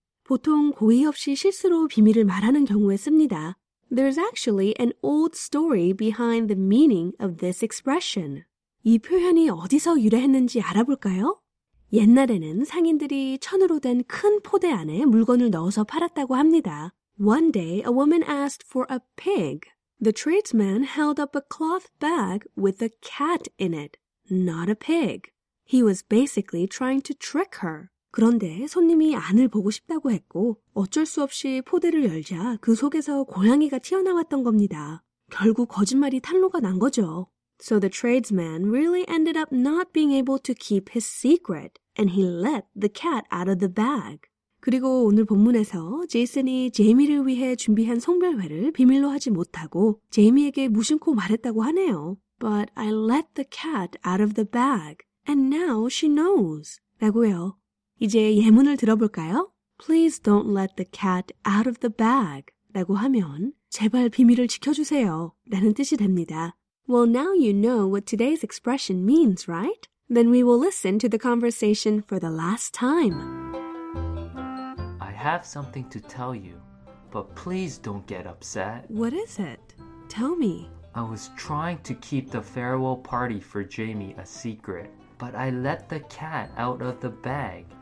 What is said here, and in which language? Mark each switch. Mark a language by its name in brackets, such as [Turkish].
[Korean] 보통 고의 없이 실수로 비밀을 말하는 경우에 씁니다. [English] There's actually an old story behind the meaning of this expression. [Korean] 이 표현이 어디서 유래했는지 알아볼까요? 옛날에는 상인들이 천으로 된 큰 포대 안에 물건을 넣어서 팔았다고 합니다. [English] One day, a woman asked for a pig. The tradesman held up a cloth bag with a cat in it, not a pig. He was basically trying to trick her. [Korean] 그런데 손님이 안을 보고 싶다고 했고 어쩔 수 없이 포대를 열자 그 속에서 고양이가 튀어나왔던 겁니다. 결국 거짓말이 탄로가 난 거죠. [English] So the tradesman really ended up not being able to keep his secret and he let the cat out of the bag. [Korean] 그리고 오늘 본문에서 제이슨이 제이미를 위해 준비한 송별회를 비밀로 하지 못하고 제이미에게 무심코 말했다고 하네요. [English] But I let the cat out of the bag and now she knows. [Korean] 라고요. 이제 예문을 들어볼까요? [English] Please don't let the cat out of the bag. [Korean] 라고 하면 제발 비밀을 지켜주세요. 라는 뜻이 됩니다. [English] Well, now you know what today's expression means, right? Then we will listen to the conversation for the last time. I have something to tell you, but please don't get upset. What is it? Tell me. I was trying to keep the farewell party for Jamie a secret, but I let the cat out of the bag.